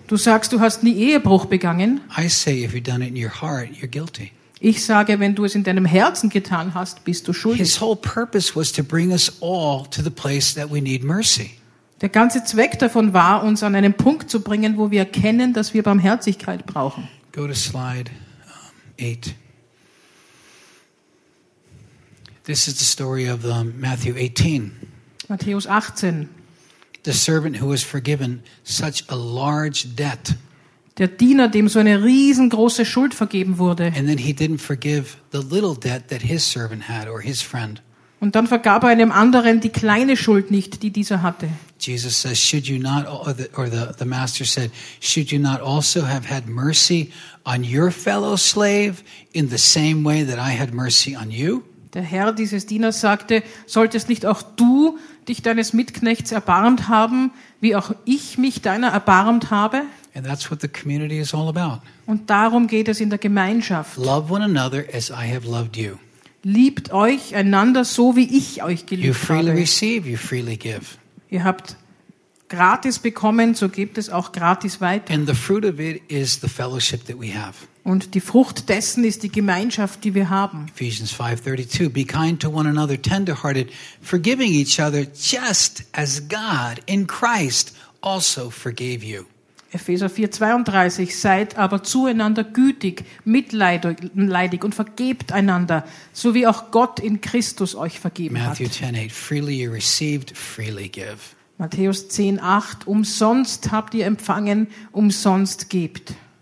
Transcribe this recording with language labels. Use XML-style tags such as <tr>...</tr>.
<de>Du sagst, du hast nie Ehebruch begangen.</de> <en>I say if you've done it in your heart, you're guilty.</en> <de>Ich sage, wenn du es in deinem Herzen getan hast, bist du schuldig.</de> <en>His whole purpose was to bring us all to the place that we need mercy.</en> <de>Der ganze Zweck davon war, uns an einen Punkt zu bringen, wo wir erkennen, dass wir Barmherzigkeit brauchen.</de> <en>Go to slide 8. This is the story of Matthew 18.</en> <de>Matthäus 18.</de> <en>The servant who was forgiven such a large debt.</en> <de>Der Diener, dem so eine riesengroße Schuld vergeben wurde.</de> <en>And then he didn't forgive the little debt that his servant had or his friend.</en> <de>Und dann vergab er einem anderen die kleine Schuld nicht, die dieser hatte.</de> <en>Jesus says, should you not, or the master said, should you not also have had mercy on your fellow slave in the same way that I had mercy on you?</en> <de>Der Herr dieses Dieners sagte, solltest nicht auch du dich deines Mitknechts erbarmt haben, wie auch ich mich deiner erbarmt habe?</de> <en>And that's what the community is all about.</en> <de>Und darum geht es in der Gemeinschaft.</de> <en>Love one another as I have loved you.</en> <de>Liebt euch einander so, wie ich euch geliebt</de> <en>you freely</en> <de>habe.</de> <en>Receive, you freely give.</en> <de>Ihr habt gratis bekommen, so gebt es auch gratis weiter.</de> <en>And the fruit of it is the fellowship that we have.</en> <de>Und die Frucht dessen ist die Gemeinschaft, die wir haben.</de> <en>Ephesians 5:32. Be kind to one another, tenderhearted, forgiving each other, just as God in Christ also forgave you.</en> <de>Epheser 4:32 seid aber zueinander gütig, mitleidig und vergebt einander, so wie auch Gott in Christus euch vergeben hat.</de> <en>Matthew 10:8 freely you received, freely give.</en> <de>Matthäus 10:8 umsonst habt ihr empfangen, umsonst gebt.</de>